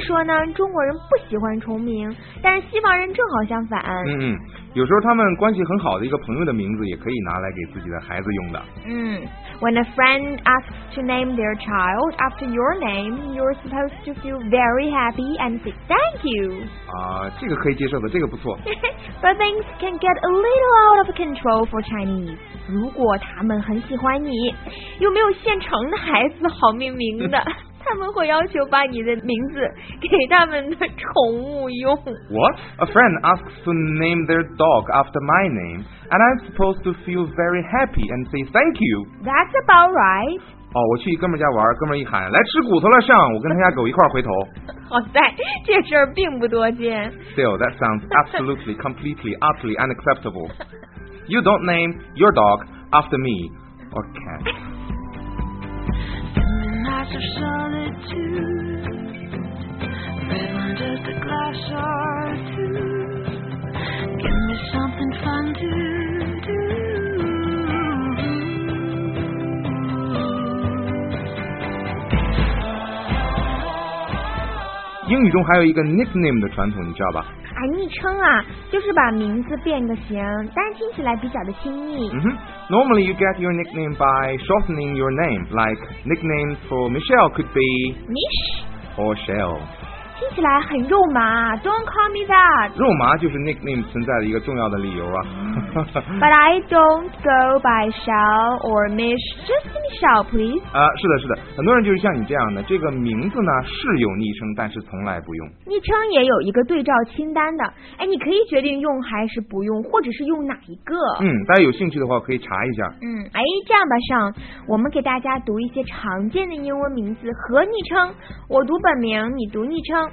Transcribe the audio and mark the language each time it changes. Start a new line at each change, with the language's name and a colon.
Chinese: 说呢，中国人不喜欢重名，但是西方人正好相反。嗯，有时候他们关系很好的一个朋友的名字也可以拿来给自己的孩子用的。
English: 嗯， When a friend asks to name their child after your name, you're supposed to feel very happy and say thank you.
Chinese: 啊，这个可以接受的，这个不错。
English: But things can get a little out of control for Chinese.
Chinese: 如果他们很喜欢你，又没有现成的孩子好命名的，他们会要求把你的名字给他们的宠物用。
English: What? A friend asks to name their dog after my name, and I'm supposed to feel very happy and say thank you. That's about right.
Chinese: 哦，我去哥们家玩，哥们一喊来吃骨头了，上我跟他家狗一块回头。好在这事儿并不多见。
English: Still, that sounds absolutely, completely, utterly unacceptable. You don't name your dog after me, or cat. Of solitude, live on just a glass or two. Give me something fun to do.
Chinese: 英语中还有一个 nickname 的传统，你知道吧？啊，昵称啊，就是把名字变个形，但是听起来比较的亲密。嗯哼。
English: Normally you get your nickname by shortening your name, like nicknames for Michelle could be Mish or Shell.
Chinese: 听起来很肉麻。
English: Don't call me that.
Chinese: 肉麻就是 nickname 存在的一个重要的理由啊。
English: But I don't go by Shell or Mish, just Michelle, please.
Chinese: 啊，是的，是的，很多人就是像你这样的，这个名字呢是有昵称，但是从来不用。昵称也有一个对照清单的，哎，你可以决定用还是不用，或者是用哪一个。嗯，大家有兴趣的话可以查一下。嗯，哎，这样吧，上，我们给大家读一些常见的英文名字和昵称，我读本名，你读昵称。